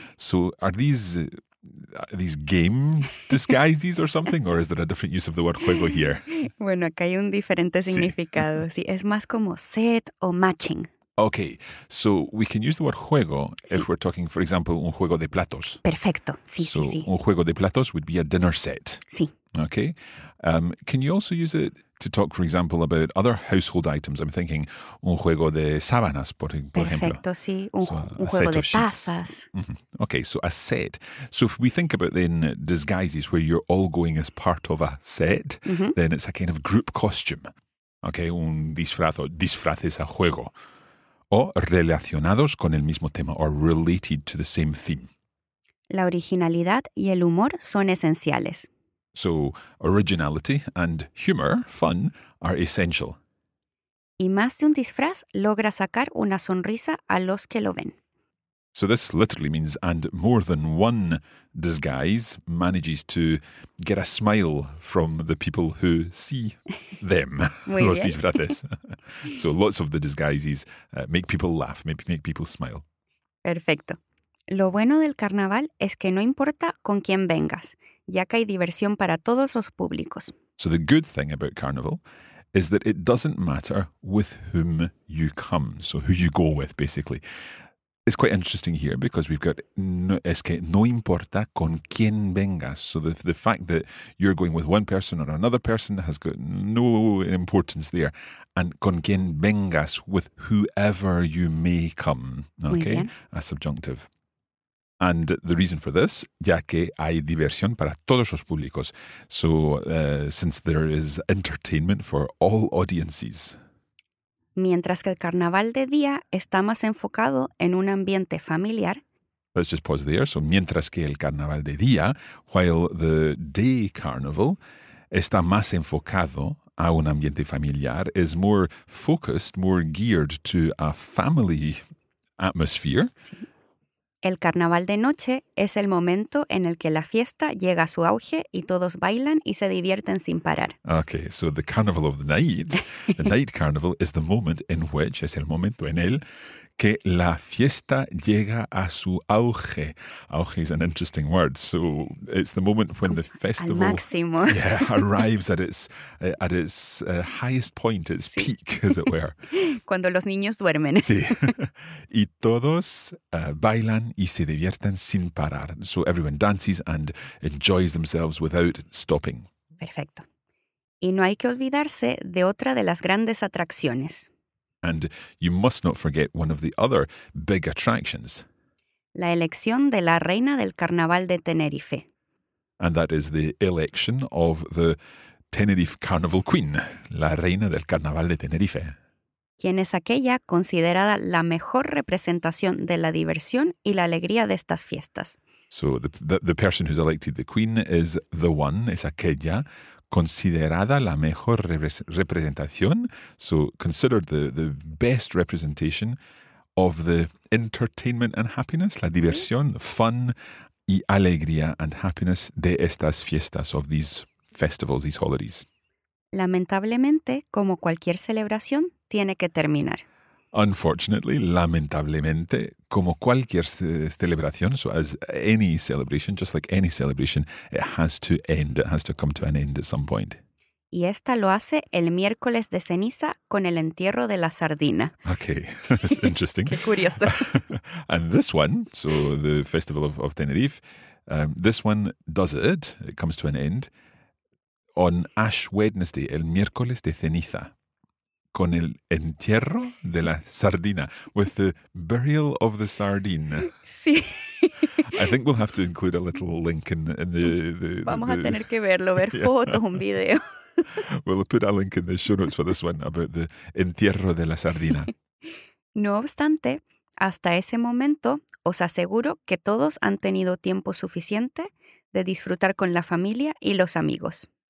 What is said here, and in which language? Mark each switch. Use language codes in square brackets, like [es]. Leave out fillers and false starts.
[en] So are these game disguises or something? Or is there a different use of the word juego here? [es] Bueno, acá hay un diferente significado. Sí, es más como set o matching. [en] Okay, so we can use the word juego if we're talking, for example, [es] un juego de platos. Perfecto, sí. [en] So [es] un juego de platos [en] would be a dinner set. [es] Sí. [en] Okay, can you also use it to talk, for example, about other household items? I'm thinking [es] un juego de sábanas, por ejemplo. Perfecto, sí. Un juego de tazas. [en] Mm-hmm. Okay, so a set. So if we think about then disguises where you're all going as part of a set, mm-hmm. then it's a kind of group costume. [es] Okay, un disfraz o disfraz es a juego. O relacionados con el mismo tema, [en] or related to the same theme. [es] La originalidad y el humor son esenciales. [en] So, originality and humor, fun, are essential. [es] Y más de un disfraz logra sacar una sonrisa a los que lo ven. [en] So this literally means, and more than one disguise manages to get a smile from the people who see them, [es] los disfraces. [en] So lots of the disguises make people laugh, make people smile. [es] Perfecto. Lo bueno del carnaval es que no importa con quién vengas, ya que hay diversión para todos los públicos. [en] So the good thing about carnival is that it doesn't matter with whom you come, so who you go with, basically. It's quite interesting here because we've got [es] no importa con quién vengas. [en] So the fact that you're going with one person or another person has got no importance there. And [es] con quién vengas, [en] with whoever you may come. Okay, a subjunctive. And the reason for this, [es] ya que hay diversión para todos los públicos. [en] So since there is entertainment for all audiences. [es] Mientras que el carnaval de día está más enfocado en un ambiente familiar. [en] Let's just pause there. So, [es] mientras que el carnaval de día, [en] while the day carnival [es] está más enfocado a un ambiente familiar, [en] is more focused, more geared to a family atmosphere. [es] Sí. El carnaval de noche es el momento en el que la fiesta llega a su auge y todos bailan y se divierten sin parar. [en] Okay, so the carnival of the night carnival is the moment in which, [es] es el momento en el que la fiesta llega a su auge. [en] Auge is an interesting word. So it's the moment when the festival [es] al máximo. [en] Yeah, arrives at its highest point, its peak, as it were. [es] Cuando los niños duermen. Sí. Y todos bailan y se divierten sin parar. [en] So everyone dances and enjoys themselves without stopping. [es] Perfecto. Y no hay que olvidarse de otra de las grandes atracciones. [en] And you must not forget one of the other big attractions. [es] La elección de la reina del carnaval de Tenerife. [en] And that is the election of the Tenerife Carnival Queen, [es] la reina del carnaval de Tenerife. Quien es aquella considerada la mejor representación de la diversión y la alegría de estas fiestas. [en] So the person who's elected the queen is the one, [es] es aquella, considerada la mejor representación, [en] so considered the best representation of the entertainment and happiness, [es] la diversión, [en] fun [es] y alegría [en] and happiness [es] de estas fiestas, [en] of these festivals, these holidays. [es] Lamentablemente, como cualquier celebración, tiene que terminar. [en] Unfortunately, lamentablemente, [es] como cualquier celebración, [en] so as any celebration, just like any celebration, it has to end, it has to come to an end at some point. [es] Y esta lo hace el miércoles de ceniza con el entierro de la sardina. [en] Okay, that's interesting. [es] Qué curioso. [en] And this one, so the festival of Tenerife, this one does it, it comes to an end, on Ash Wednesday, [es] el miércoles de ceniza. Con el entierro de la sardina, [en] with the burial of the sardine. [es] Sí. [en] I think we'll have to include a little link in the [es] Vamos a tener que ver yeah. Fotos, un video. [en] We'll put a link in the show notes for this one about the [es] entierro de la sardina. No obstante, hasta ese momento, os aseguro que todos han tenido tiempo suficiente de disfrutar con la familia y los amigos.